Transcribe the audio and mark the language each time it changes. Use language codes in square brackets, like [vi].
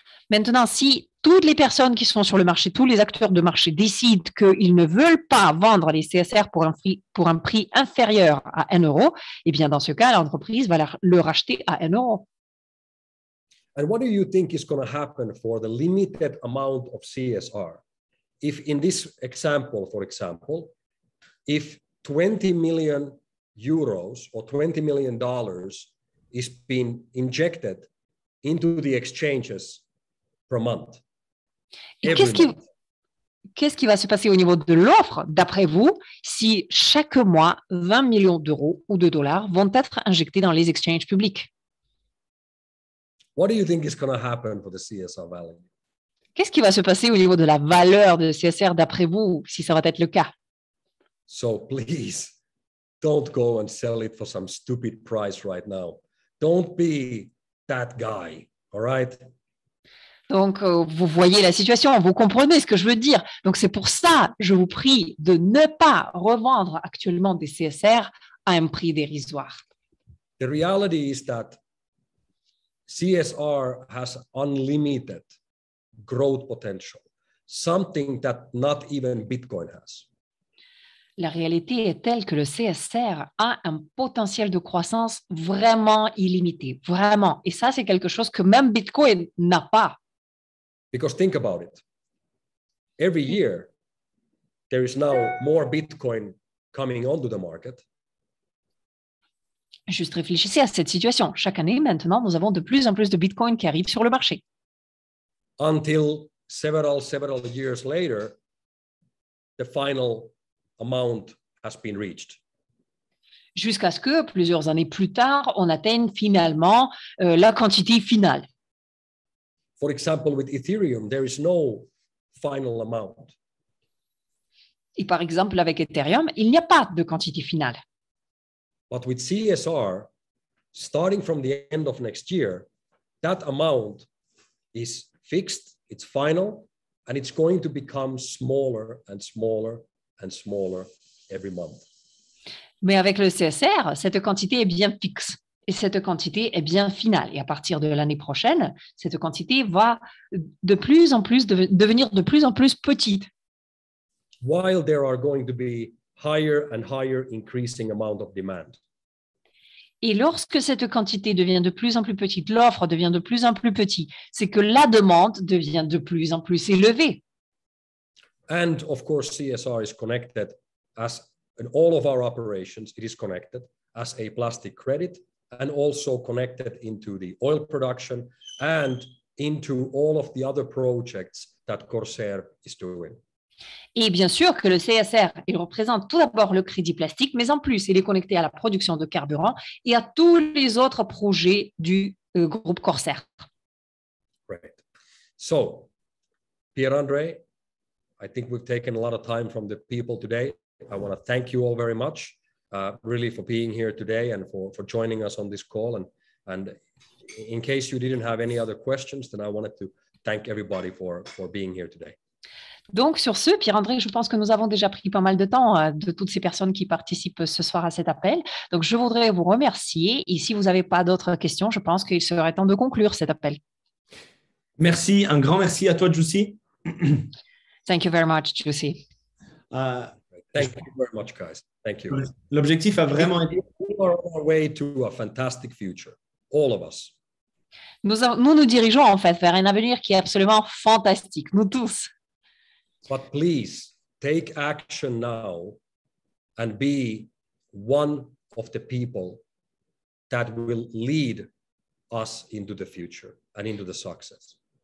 [fr] Maintenant, si toutes les personnes qui sont sur le marché, tous les acteurs de marché décident qu'ils ne veulent pas vendre les CSR pour un prix inférieur à 1 euro, eh bien, dans ce cas, l'entreprise va le racheter à 1 euro. [en] And what do you think is going to happen for the limited amount of CSR? If in this example, for example, if 20 million euros or $20 million is being injected into the exchanges per month. [fr] Qu'est-ce qui va se passer au niveau de l'offre, d'après vous, si chaque mois 20 millions d'euros ou de dollars vont être injectés dans les exchanges publics? [en] What do you think is going to happen for the CSR value? [fr] Qu'est-ce qui va se passer au niveau de la valeur de CSR, d'après vous, si ça va être le cas? [en] So please, don't go and sell it for some stupid price right now. Don't be that guy, all right? [fr] Donc, vous voyez la situation, vous comprenez ce que je veux dire. Donc, c'est pour ça, je vous prie de ne pas revendre actuellement des CSR à un prix dérisoire. [en] The reality is that CSR has unlimited growth potential, something that not even Bitcoin has. [fr] La réalité est telle que le CSR a un potentiel de croissance vraiment illimité, vraiment. Et ça, c'est quelque chose que même Bitcoin n'a pas. [en] Because think about it. Every year, there is now more Bitcoin coming onto the market. [fr] Juste réfléchissez à cette situation. Chaque année, maintenant, nous avons de plus en plus de Bitcoin qui arrive sur le marché. [en] Until several years later, the final amount has been reached. [fr] jusqu'à ce que plusieurs années plus tard, on atteigne finalement la quantité finale. [en] For example, with Ethereum, there is no final amount. [fr] Et par exemple, avec Ethereum, il n'y a pas de quantité finale. [en] But with CSR, starting from the end of next year, that amount is fixed, it's final, and it's going to become smaller and smaller and smaller every month. [fr] Mais avec le CSR, cette quantité est bien fixe et cette quantité est bien finale. Et à partir de l'année prochaine, cette quantité va de plus en plus devenir de plus en plus petite. [en] While there are going to be higher and higher increasing amount of demand. [fr] Et lorsque cette quantité devient de plus en plus petite, l'offre devient de plus en plus petite, c'est que la demande devient de plus en plus élevée. [en] And of course, CSR is connected as in all of our operations, it is connected as a plastic credit and also connected into the oil production and into all of the other projects that Corsair is doing. [fr] Et bien sûr que le CSR, il représente tout d'abord le crédit plastique, mais en plus, il est connecté à la production de carburant et à tous les autres projets du groupe Corsair. [en] Right. So, Pierre-André, I think we've taken a lot of time from the people today. I want to thank you all very much, really, for being here today and for joining us on this call. And in case you didn't have any other questions, then I wanted to thank everybody for being here today. [fr] Donc, sur ce, Pierre-André, je pense que nous avons déjà pris pas mal de temps de toutes ces personnes qui participent ce soir à cet appel. Donc, je voudrais vous remercier. Et si vous n'avez pas d'autres questions, je pense qu'il serait temps de conclure cet appel. Merci. Un grand merci à toi, Jussi. [en] Thank you very much, Jussi. Thank you very much, guys. Thank you. [fr] L'objectif a vraiment été... [en] We are on our way to a fantastic future. All of us. [fr] Nous dirigeons, en fait, vers un avenir qui est absolument fantastique. Nous tous. [en] But please take action now and be one of the people that will lead us into the future and into the success.